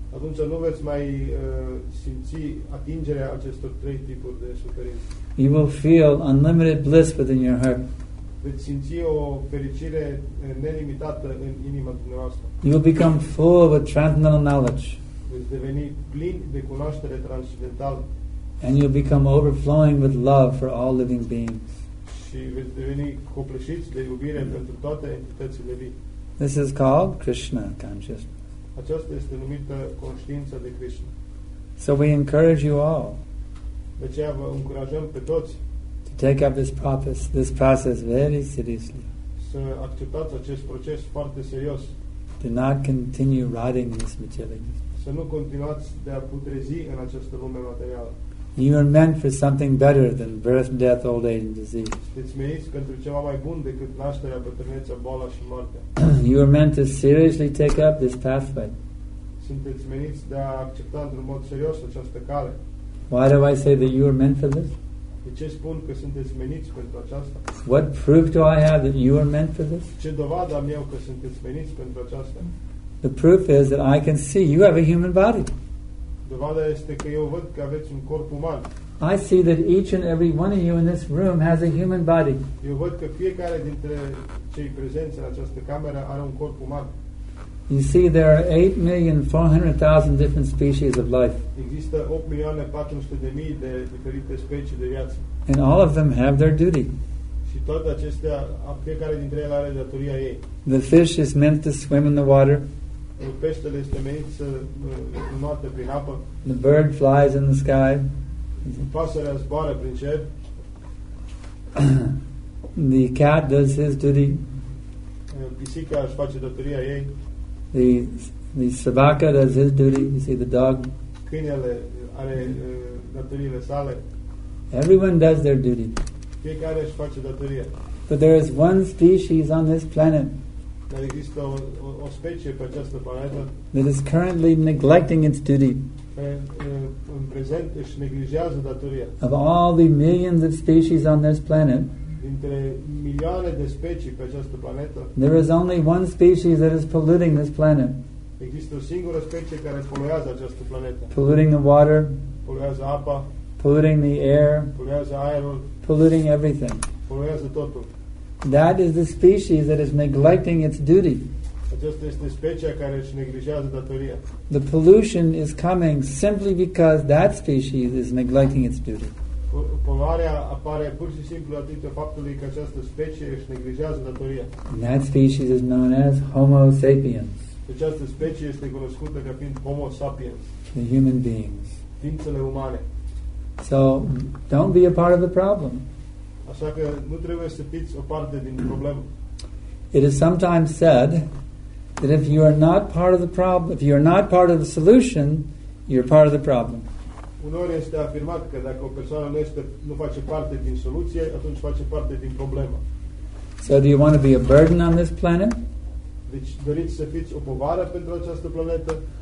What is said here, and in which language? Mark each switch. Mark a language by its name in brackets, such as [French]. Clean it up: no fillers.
[Romanian] Atunci nu veți mai simți atingerea acestor trei tipuri de suferință. [English] You will feel unlimited bliss within your heart. [Romanian] Veți simți o fericire nelimitată în inima dumneavoastră. [English] You will become full of a transcendental knowledge. [Romanian] Veți deveni plin de cunoaștere transcendentală. [English] And you'll become overflowing with love for all living beings. [Romanian] Și veți deveni copleșiți de iubire pentru toate entitățile vii. [English] This is called Krishna consciousness. [Romanian] Aceasta este numită conștiința de Krishna. [English] So we encourage you all. [Romanian] De aceea vă încurajăm pe toți. [English] To take up this process very seriously. [Romanian] Să acceptați acest proces foarte serios. [English] Do not continue rotting in this material existence. [Romanian] Să nu continuați de a putrezi în această lume materială. [English] You are meant for something better than birth, death, old age, and disease. [Romanian] Ești menit pentru ceva mai bun decât nașterea, bătrânețea, boala și moartea. [English] You are meant to seriously take up this pathway. [Romanian] Sunteți meniți de a accepta într-un mod serios această cale. [English] Why do I say that you are meant for this? [Romanian] De ce spun că sunteți meniți pentru aceasta? [English] What proof do I have that you are meant for this? [Romanian] Ce dovadă am eu că sunteți meniți pentru aceasta? [English] The proof is that I can see you have a human body. [Romanian] Dovada este că eu văd că aveți un corp uman. [English] I see that each and every one of you in this room has a human body. [Romanian] Eu văd că fiecare dintre cei prezenți în această cameră are un corp uman. [English] You see, there are 8,400,000 different species of life. [Romanian] Există 8,400,000 de diferite specii de viață. [English] And all of them have their duty. [Romanian] Și toate acestea, fiecare dintre ele are datoria ei. [English] The fish is meant to swim in the water. [Romanian] Peștele este menit să înoate prin apă. [English] The bird flies in the sky. [Romanian] Pasărea zboară prin cer. [English] The cat does his duty. [Romanian] Pisica își face datoria ei. [English] The sabaca does his duty. You see the dog. [Romanian] Câinele are datoriile sale. [English] Everyone does their duty. [Romanian] Fiecare își face datoria. [English] But there is one species on this planet. [Romanian] Dar există o specie pe această planetă. [English] That is currently neglecting its duty. [Romanian] În prezent își neglijează datoria. [English] Of all the millions of species on this planet. [Romanian] Dintre milioane de specii pe această planetă. [English] There is only one species that is polluting this planet. [Romanian] Există o singură specie care poluează această planetă. [English] Polluting the water. [Romanian] Poluează apa. [English] Polluting the air. [Romanian] Poluează aerul. [English] Polluting everything. [Romanian] Poluează totul. [English] That is the species that is neglecting its duty. [Romanian] Aceasta este specia care își neglijează datoria. [English] The pollution is coming simply because that species is neglecting its duty. [Romanian] Poluarea apare pur și simplu datorită faptului că această specie își neglijează datoria. [English] And that species is known as Homo sapiens. [Romanian] Această specie este cunoscută ca fiind Homo sapiens. [English] The human beings. [Romanian] Ființele umane. [English] So, don't be a part of the problem. [Romanian] Așa că nu trebuie să fiți o parte din problemă. [English] It is sometimes said that if you are not part of the problem, if you are not part of the solution, you're part of the problem. [Romanian] Uneori este afirmat că dacă o persoană nu face parte din soluție, atunci face parte din problemă. [English] So do you want to be a burden on this planet? [Romanian] Deci doriți să fiți o povară pentru această planetă?